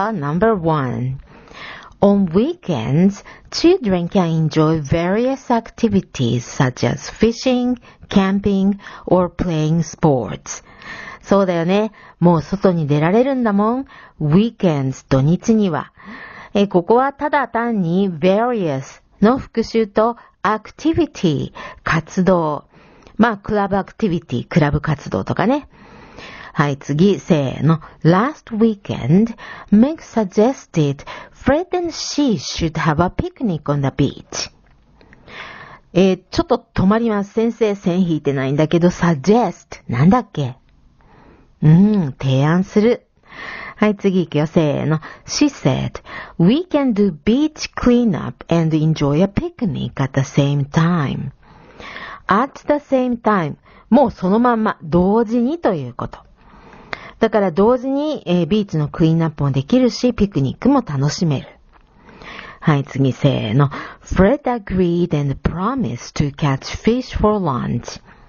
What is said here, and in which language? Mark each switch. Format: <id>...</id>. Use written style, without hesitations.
<en>Number one. On weekends, children can enjoy various activities such as fishing, camping, or playing sports.</en> <ja>そうだよね。もう外に出られるんだもん。</ja> <en>Weekends,</en> <ja>土日には。ここはただ単に various の副詞と activity、活動。まあ、クラブアクティビティ、クラブ活動とかね。はい、次、せーの。</ja> <en>Last weekend, Meg suggested Fred and she should have a picnic on the beach.</en> <ja>ちょっと止まります。先生、線引いてないんだけど、suggest、なんだっけ？提案する。はい、次行くよ、せーの。</ja> <en>She said, we can do beach cleanup and enjoy a picnic at the same time. At the same time.</en> <ja>もうそのまんま、同時にということ。だから同時に、ビーチのクリーンアップもできるし、ピクニックも楽しめる。はい、次、せーの。</ja> <en>Fred agreed and promised to catch fish for lunch.</en>